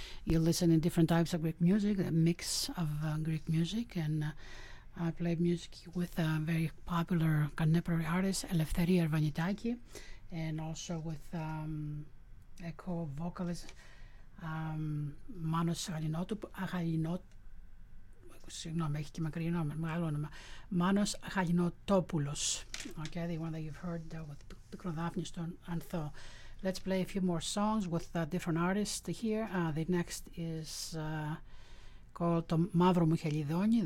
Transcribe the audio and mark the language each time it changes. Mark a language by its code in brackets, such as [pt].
[en] You listen to different types of Greek music, a mix of Greek music, and I play music with a very popular contemporary artist, Eleftheria Ervanitaki, and also with a co-vocalist, Manos Haginotopoulos. [el] Συγγνώμη, έχει και μακρύ νόμα, μεγάλο όνομα. [en] Μάνος Χαλινοτόπουλος. Okay, the one that you've heard with Πικροδάφνη στον Ανθό. Let's play a few more songs with different artists here. The next is called Το Μαύρο Μου Χελιδόνι.